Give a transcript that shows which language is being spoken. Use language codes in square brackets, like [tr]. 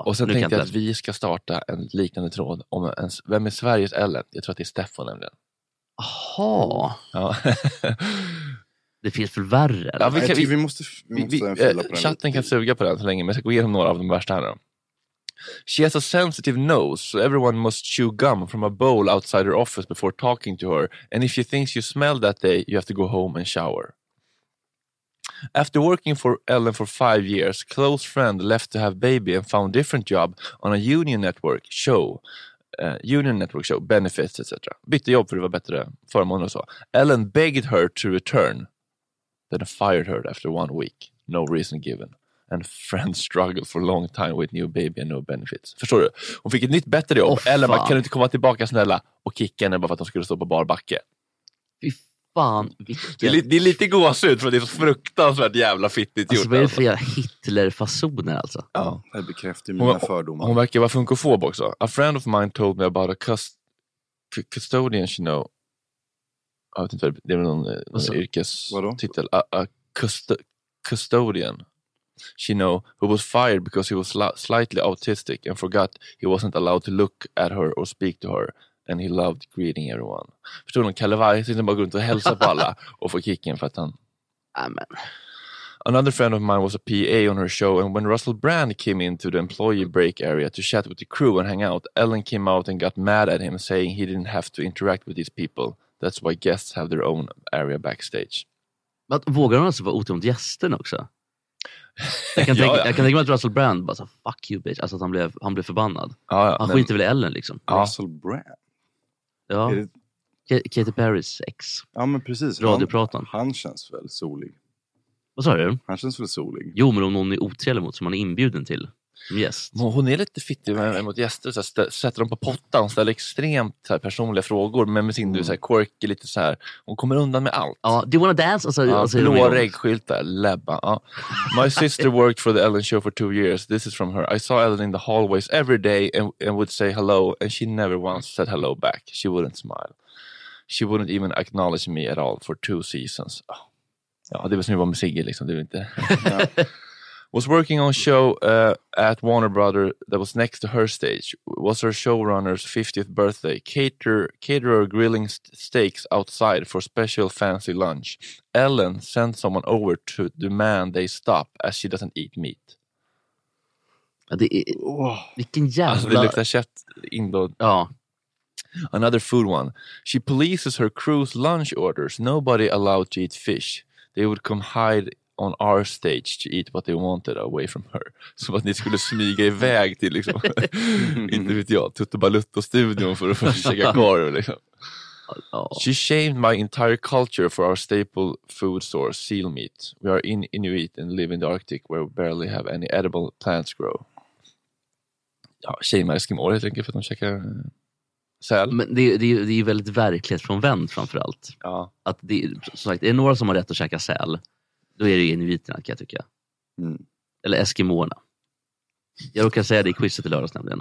[sv] Och sen nu tänkte jag att vi ska starta en liknande tråd. Om en, vem är Sveriges Ellen? Jag tror att det är Steffo nämligen. Jaha. Ja. Det finns för värre. Ja, vi måste chatten kan suga på den så länge, men jag ska gå igenom några av de värsta här då. [en] She has a sensitive nose, so everyone must chew gum from a bowl outside her office before talking to her. And if she thinks you smell that day, you have to go home and shower. After working for Ellen for 5 years, close friend left to have baby and found different job on a union network show. Union network show, benefits, etc. [sv] Bytte jobb för det var bättre förmån och så. [en] Ellen begged her to return, then fired her after 1 week. No reason given. And friends struggled for a long time with new baby and no benefits. [sv] Förstår du? Hon fick ett nytt bättre jobb. Ellen bara, kan du inte komma tillbaka snälla och kicka henne bara för att hon skulle stå på barbacke. Fy fan. Det är lite gåsigt för det är så fruktansvärt jävla fittigt gjort. Alltså vad är det för Hitler-fasoner alltså? Ja, det bekräftar mina fördomar. Hon verkar vara funkofob också. [en] A friend of mine told me about a custodian, you know. [sv] Jag vet inte, det är någon yrkestitel. [en] A custodian. She know who was fired because he was slightly autistic and forgot he wasn't allowed to look at her or speak to her and he loved greeting everyone. [sv] Förstår du, Kalle Varg sitter bara runt och hälsar på alla och får kicken för att han... Amen. [en] Another friend of mine was a PA on her show and when Russell Brand came into the employee break area to chat with the crew and hang out, Ellen came out and got mad at him saying he didn't have to interact with these people. That's why guests have their own area backstage. [sv] Men vågar hon alltså vara otroligt gästen också? Jag kan tänka mig att Russell Brand bara så [en] fuck you bitch, [sv] alltså att han blev förbannad. Ja, ja, han skiter väl i Ellen liksom. Ja. Russell Brand. Ja. Katy Perry's ex. Ja men precis. Radiopratan. Han känns väl solig. Vad sa du? Han känns väl solig. Jo, men om någon är otrevlig mot som man är inbjuden till. [en] Yes. [sv] Hon är lite fittig mot gäster så sätter dem på pottan, ställer extremt så här, personliga frågor men med sin du så här quirky lite så här, hon kommer undan med allt. [en] Ja, do you wanna dance [sv] alltså, ja, alltså, blå regskylt där, läbba. Ja. [en] My sister worked for the Ellen show for 2 years. This is from her. I saw Ellen in the hallways every day and would say hello and she never once said hello back. She wouldn't smile. She wouldn't even acknowledge me at all for 2 seasons. Oh. [sv] Ja, det var som att vara med Sigge liksom, det var inte. [en] Was working on a show at Warner Brothers that was next to her stage. It was her showrunner's 50th birthday. Caterer grilling steaks outside for special fancy lunch. Ellen sent someone over to demand they stop as she doesn't eat meat. [sv] Ja, det är, vilken jävla... Alltså det luktar kött in då. Ja. [en] Another food one. She polices her crew's lunch orders. Nobody allowed to eat fish. They would come hide... on our stage to eat what they wanted away from her. [sv] Som att ni skulle smyga iväg till liksom, inte vet jag, Tuttebalutto-studion för att försöka kvar. Liksom. [en] She shamed my entire culture for our staple food source, seal meat. We are in Inuit and live in the Arctic where we barely have any edible plants grow. [sv] Ja, [en] shame my [sv] skimor, jag tänker, för att de käkar säl. Men det är väldigt verklighetsfrånvänt framförallt. Ja. Att det, som sagt, det är några som har rätt att käka säl. Då är det ju inuiterna, kan jag tycka. Mm. Eller eskimoerna. Jag råkar säga det i quizet i lördags nämligen.